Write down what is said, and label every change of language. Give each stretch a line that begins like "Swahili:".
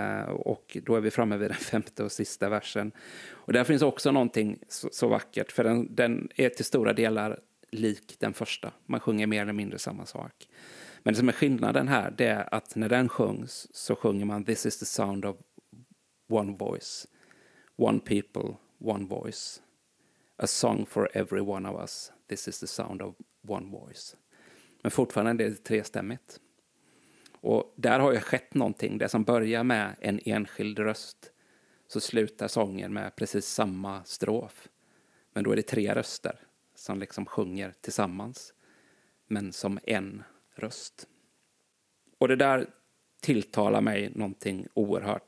Swedish: Och då är vi framme vid den femte och sista versen. Och där finns också någonting så vackert. För den är till stora delar lik den första. Man sjunger mer eller mindre samma sak. Men det som är skillnaden här, det är att när den sjungs så sjunger man
English: this is the sound of one voice. One people, one voice. A song for every one of us. This is the sound of one voice.
Swedish: Men fortfarande är det trestämmigt. Och där har ju skett någonting. Det som börjar med en enskild röst, så slutar sången med precis samma strof. Men då är det tre röster som liksom sjunger tillsammans. men som en röst. Och det där tilltalar mig någonting oerhört.